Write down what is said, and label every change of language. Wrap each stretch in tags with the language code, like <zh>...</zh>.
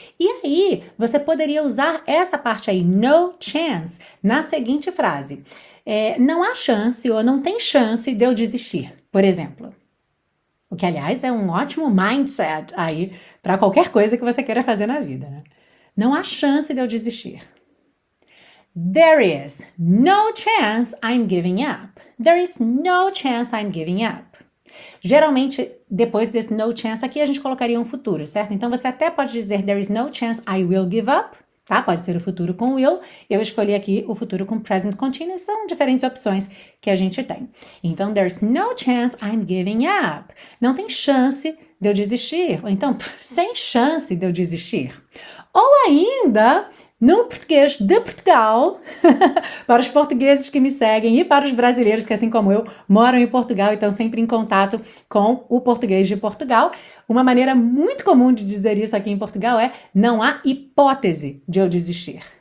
<pt>E aí, você poderia usar essa parte aí, no chance, na seguinte frase. É, não há chance ou não tem chance de eu desistir, por exemplo. O que, aliás, é um ótimo mindset aí para qualquer coisa que você queira fazer na vida, né? Não há chance de eu desistir.</pt> <en>There is no chance I'm giving up. There is no chance I'm giving up.</en> <pt>Geralmente, depois desse no chance aqui, a gente colocaria um futuro, certo? Então você até pode dizer</pt> <en>there is no chance I will give up,</en> <pt>tá? Pode ser o futuro com will. Eu escolhi aqui o futuro com present continuous, são diferentes opções que a gente tem. Então</pt> <en>there's no chance I'm giving up.</en> <pt>Não tem chance de eu desistir. Ou então, sem chance de eu desistir. Ou ainda, no português de Portugal, para os portugueses que me seguem e para os brasileiros que, assim como eu, moram em Portugal e estão sempre em contato com o português de Portugal, uma maneira muito comum de dizer isso aqui em Portugal é: não há hipótese de eu desistir.</pt>